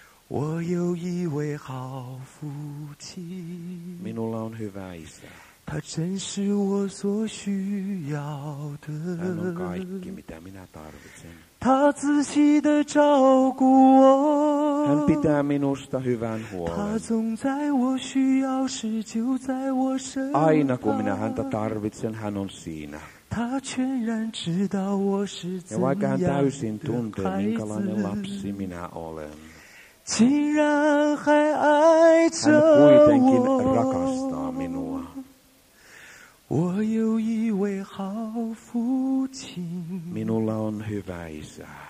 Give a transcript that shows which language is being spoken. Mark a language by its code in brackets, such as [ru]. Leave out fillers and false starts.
[zh] 我有一位好父亲, [fi] minulla on hyvä isä. [zh] 他真是我所需要的, [fi] hän on kaikki, mitä minä tarvitsen. [zh] 他仔细地照顾我, [fi] hän pitää minusta hyvän huolen. [zh] 他总在我需要时就在我身旁, [fi] aina kun minä häntä tarvitsen, hän on siinä. [zh] 他全然知道我是怎样的孩子, [fi] ja vaikka hän täysin tuntee, minkälainen lapsi minä olen, [zh] 竟然还爱着我, [fi] hän kuitenkin rakastaa minua. [zh] 我有一位好父亲, [fi] minulla on hyvä isä.